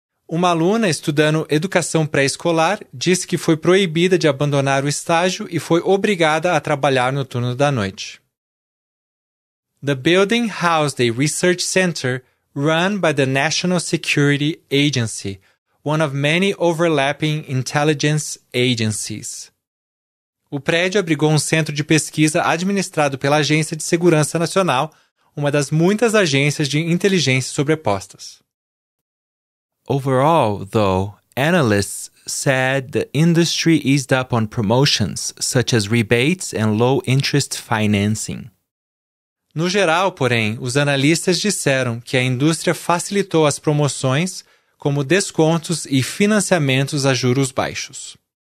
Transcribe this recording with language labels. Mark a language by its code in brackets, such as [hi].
[pt] Uma aluna estudando educação pré-escolar disse que foi proibida de abandonar o estágio e foi obrigada a trabalhar no turno da noite. [en] The building housed a research center run by the National Security Agency, one of many overlapping intelligence agencies. [pt] O prédio abrigou um centro de pesquisa administrado pela Agência de Segurança Nacional, uma das muitas agências de inteligência sobrepostas. [en] Overall, though, analysts said the industry eased up on promotions, such as rebates and low-interest financing. [pt] No geral, porém, os analistas disseram que a indústria facilitou as promoções, como descontos e financiamentos a juros baixos.